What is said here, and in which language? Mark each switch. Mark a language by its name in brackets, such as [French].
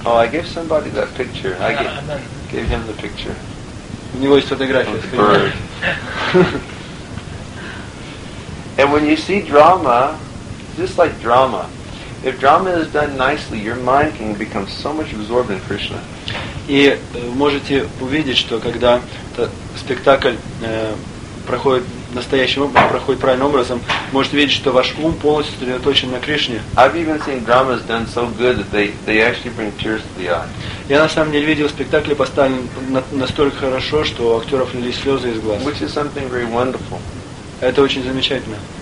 [English] Oh, I gave somebody that picture. I gave him the picture. [Russian] У него есть фотография. [English] The bird. And when you see drama, just like drama, if drama is done nicely, your mind can become so much absorbed in Krishna. [Russian] И можете увидеть, что когда спектакль проходит настоящим образом, проходит правильным образом, можете видеть, что ваш ум полностью сосредоточен на Кришне. [English] I've even seen dramas done so good that they actually bring tears to the eye. [Russian] Я на самом деле видел спектакли, поставленные настолько хорошо, что у актеров лились слезы из глаз. [English] Which is something very wonderful. [Russian] Это очень замечательно.